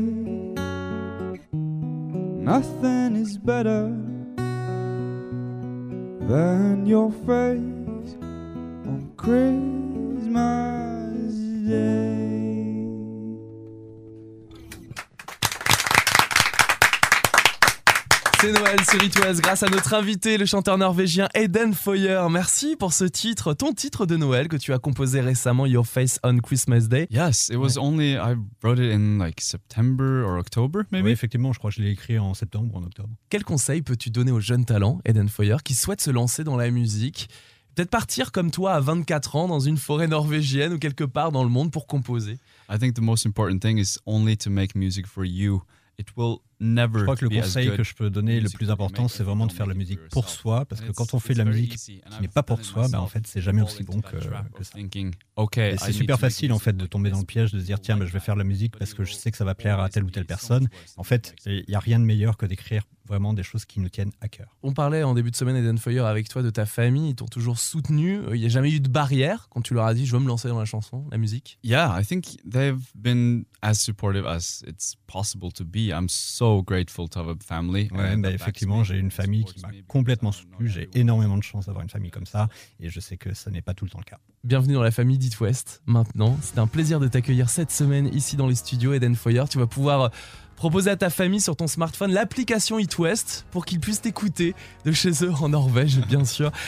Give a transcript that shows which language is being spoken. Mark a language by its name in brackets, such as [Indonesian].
[English] Nothing is better than your face on Christmas Day. [French] C'est Noël sur It West grâce à notre invité, le chanteur norvégien Eden Foyer. Merci pour ce titre, ton titre de Noël que tu as composé récemment, Your Face on Christmas Day. [English] Yes, it was only, I wrote it in like September or October, maybe. [French] Oui, effectivement, je crois que je l'ai écrit en septembre ou en octobre. Quel conseil peux-tu donner aux jeunes talents, Eden Foyer, qui souhaitent se lancer dans la musique? Peut-être partir comme toi à 24 ans dans une forêt norvégienne ou quelque part dans le monde pour composer. [English] I think the most important thing is only to make music for you. It will never [French] je crois que le conseil que je peux donner, le plus important, c'est vraiment de faire la musique pour soi. Parce que quand on fait de la musique qui n'est pas pour soi, bah en fait, c'est jamais aussi bon que ça. [English] Okay, [French] et c'est super facile en fait, de tomber dans le piège, de se dire « tiens, bah, je vais faire de la musique parce que je sais que ça va plaire à telle ou telle personne ». En fait, il n'y a rien de meilleur que d'écrire vraiment des choses qui nous tiennent à cœur. On parlait en début de semaine, Eden Foyer, avec toi, de ta famille. Ils t'ont toujours soutenu. Il n'y a jamais eu de barrière quand tu leur as dit « je veux me lancer dans la chanson, la musique ». [English] Yeah, I think they've been as supportive as it's possible to be. I'm so grateful to have a family. [French] Ouais, bah, effectivement, j'ai une famille qui m'a complètement soutenu. J'ai énormément de chance d'avoir une famille comme ça. Et je sais que ça n'est pas tout le temps le cas. Bienvenue dans la famille d'It West. Maintenant, c'est un plaisir de t'accueillir cette semaine ici dans les studios, Eden Foyer. Tu vas pouvoir proposer à ta famille sur ton smartphone l'application It West pour qu'ils puissent t'écouter de chez eux en Norvège, bien sûr.